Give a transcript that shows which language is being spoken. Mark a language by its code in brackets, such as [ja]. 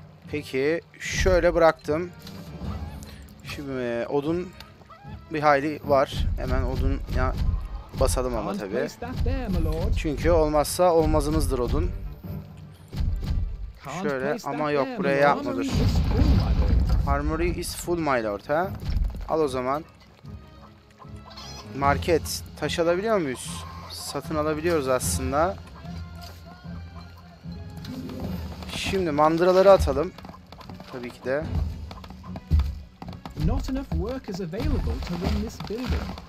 [tr] Peki şöyle bıraktım. Şimdi odun bir hayli var. Hemen odun ya basalım ama tabi. Çünkü olmazsa olmazımızdır odun. Şöyle ama yok buraya yapma dur. [en] Armory is full my lord ha. [tr] Al o zaman. Market. Taş alabiliyor muyuz? Satın alabiliyoruz aslında. Şimdi mandıraları atalım. Tabii ki de. [en] Not enough workers available to run this building.